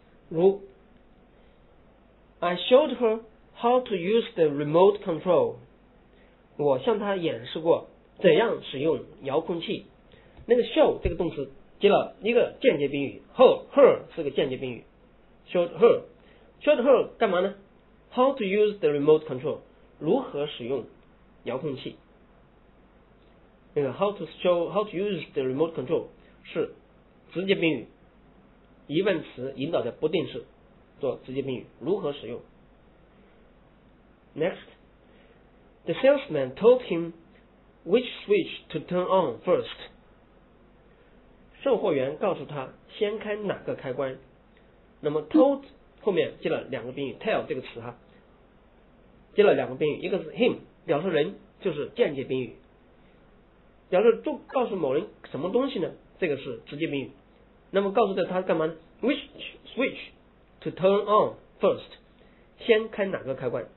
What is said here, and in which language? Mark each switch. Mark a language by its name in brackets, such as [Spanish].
[English] 如I showed her how to use the remote control. [Chinese] 我向她演示过怎样使用遥控器。那个 show 这个动词接了一个间接宾语， her 是个间接宾语。 [English] showed her [Chinese] 干嘛呢？ [English] How to use the remote control， [Chinese] 如何使用遥控器。那个 [English] how to use the remote control [Chinese] 是直接宾语，疑问词引导的不定式。做直接宾语，如何使用。 [English] Next， The salesman told him which switch to turn on first。 [Chinese] 售货员告诉他先开哪个开关。那么 told 后面接了两个宾语， tell 这个词哈，接了两个宾语，一个是 him 表示人，就是间接宾语，表示就告诉某人什么东西呢，这个是直接宾语。那么告诉他干嘛呢？ [English] which switchTo turn on first， [Chinese] 先开哪个开关？